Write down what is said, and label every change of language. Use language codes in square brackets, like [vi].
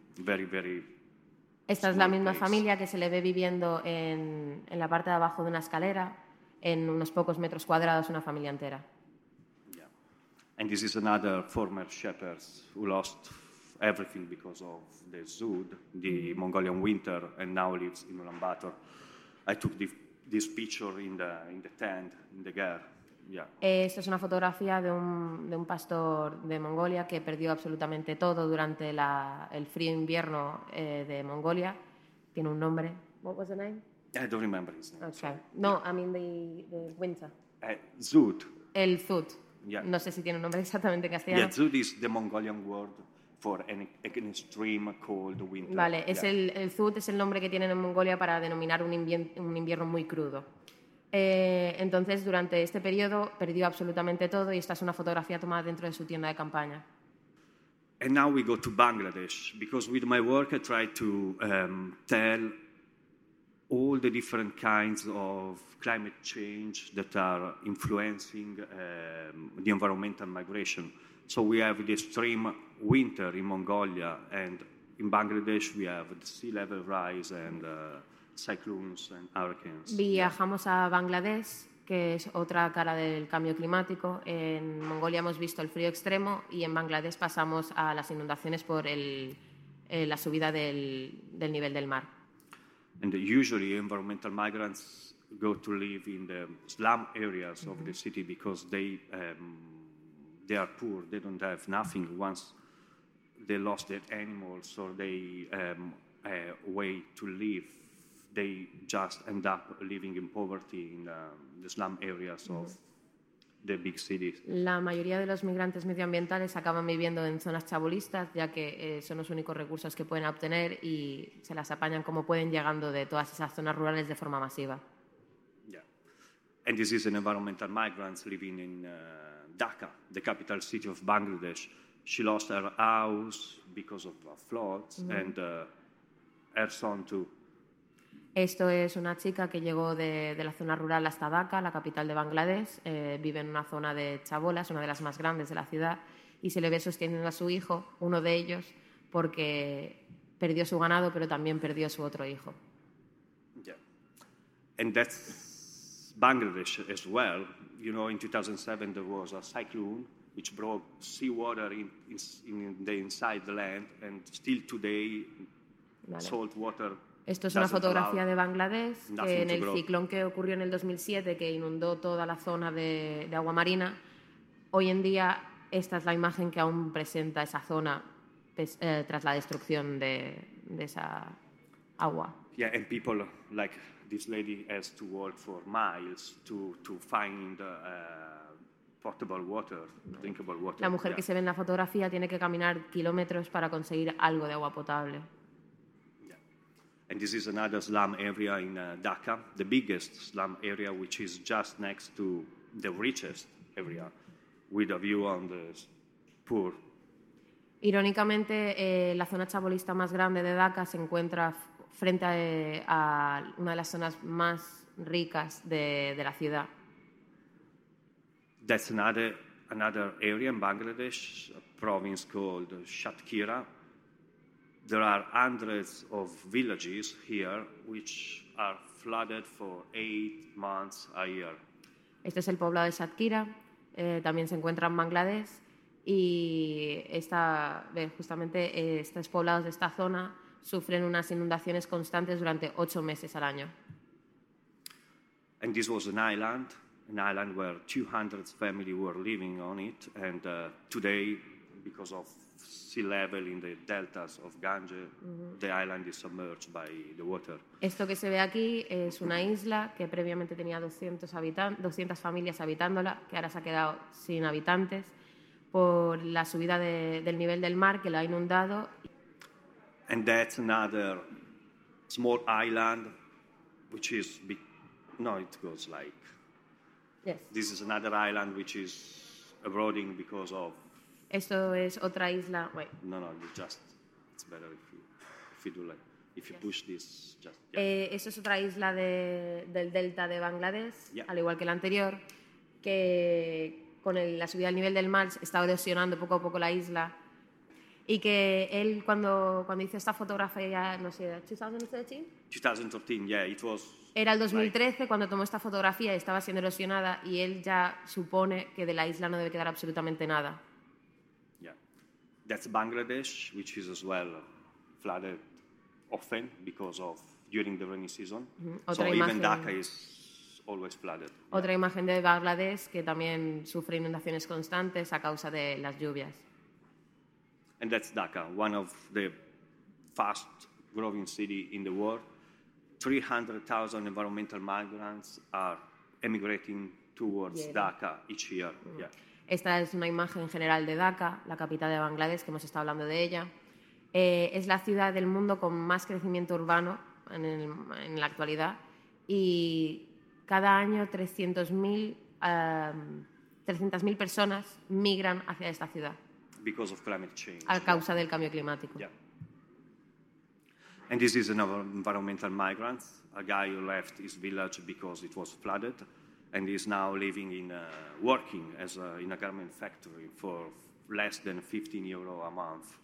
[en] Very, very. [es] Esta es la misma familia que se le ve viviendo en la parte de abajo de una escalera en unos pocos metros cuadrados, una familia entera. [en] And this is another former shepherd who lost everything because of the Zud, the Mongolian winter, and now lives in Ulaanbaatar. I took this picture in the tent, in the ger. Yeah. [es] Esta es una fotografía de un pastor de Mongolia que perdió absolutamente todo durante el frío invierno de Mongolia. Tiene un nombre. [en] What was the name? I don't remember his name. Okay. No, yeah. I mean the winter. Zud. [es] El Zud. [en] Yeah. [es] No sé si tiene un nombre exactamente en castellano. [en] Yeah, Zud is the Mongolian word for an extreme cold winter. [es] Vale, es el Zud es el nombre que tienen en Mongolia para denominar un invierno muy crudo. Entonces, durante este periodo perdió absolutamente todo y esta es una fotografía tomada dentro de su tienda de campaña. [en] And now we go to Bangladesh because with my work I try to tell all the different kinds of climate change that are influencing the environmental migration. So we have the extreme winter in Mongolia, and in Bangladesh we have the sea level rise and cyclones and hurricanes. [es] Viajamos a Bangladesh, que es otra cara del cambio climático. En Mongolia hemos visto el frío extremo y en Bangladesh pasamos a las inundaciones por la subida del nivel del mar. [en] And usually environmental migrants go to live in the slum areas of the city because they are poor, they don't have nothing once they lost their animals or they way to live, they just end up living in poverty in the slum areas of the big cities. [es] La mayoría de los migrantes medioambientales acaban viviendo en zonas chabolistas, ya que son los únicos recursos que pueden obtener y se las apañan como pueden llegando de todas esas zonas rurales de forma masiva. [en] Yeah. And this is an environmental migrant living in Dhaka, the capital city of Bangladesh. She lost her house because of floods and her son too. [es] Esto es una chica que llegó de la zona rural hasta Dhaka, la capital de Bangladesh. Vive en una zona de chabolas, una de las más grandes de la ciudad, y se le ve sosteniendo a su hijo, uno de ellos, porque perdió su ganado, pero también perdió su otro hijo. [en] Yeah. And that's Bangladesh as well. You know, in 2007 there was a cyclone which brought seawater inside the land, and still today salt water. [es] Esto es una fotografía de Bangladesh que en el ciclón que ocurrió en el 2007 que inundó toda la zona de agua marina. Hoy en día esta es la imagen que aún presenta esa zona tras la destrucción de esa agua. [en] Yeah, and people like this lady has to walk for miles to find potable water, drinkable water. [es] La mujer que se ve en la fotografía tiene que caminar kilómetros para conseguir algo de agua potable. [en] And this is another slum area in Dhaka, the biggest slum area, which is just next to the richest area, with a view on the poor. [es] Irónicamente, la zona chabolista más grande de Dhaka se encuentra frente a una de las zonas más ricas de la ciudad. [en] That's another area in Bangladesh, a province called Satkhira. There are hundreds of villages here which are flooded for 8 months a year. [es] Este es el poblado de Satkhira, también se encuentra en Bangladesh, y estos poblados de esta zona sufren unas inundaciones constantes durante 8 meses al año. [en] And this was an island where 200 families were living on it, and today, because of sea level in the deltas of Ganges, the island is submerged by the water. [es] Esto que se ve aquí es una isla que previamente tenía 200 familias habitándola, que ahora se ha quedado sin habitantes por la subida del nivel del mar que lo ha inundado. [en] And that's another small island, which is big. No, it goes like. Yes. This is another island which is eroding because of. [es] Esto es otra isla. [en] Wait. No, just it's better if you push this. Just. Yeah. [es] Esto es otra isla del delta de Bangladesh, [en] yeah. [es] Al igual que la anterior, que con la subida del nivel del mar está erosionando poco a poco la isla, y que él cuando hizo esta fotografía, no sé, [en] 2013, yeah, it was. [es] Era el 2013 cuando tomó esta fotografía y estaba siendo erosionada, y él ya supone que de la isla no debe quedar absolutamente nada. [en] That's Bangladesh, which is as well flooded often because of during the rainy season. [es] Otra imagen, [en] even Dhaka is always flooded. [es] Otra imagen de Bangladesh que también sufre inundaciones constantes a causa de las lluvias. [en] And that's Dhaka, one of the fast growing city in the world. 300,000 environmental migrants are emigrating towards Dhaka each year. Mm. Yeah. [es] Esta es una imagen general de Dhaka, la capital de Bangladesh, que hemos estado hablando de ella. Es la ciudad del mundo con más crecimiento urbano en la actualidad, y cada año 300.000 personas migran hacia esta ciudad. [en] Because of climate change. [es] A causa del cambio climático. [en] Yeah. And this is an environmental migrant, a guy who left his village because it was flooded. And he is now living in working as in a garment factory for less than 15 euro a month.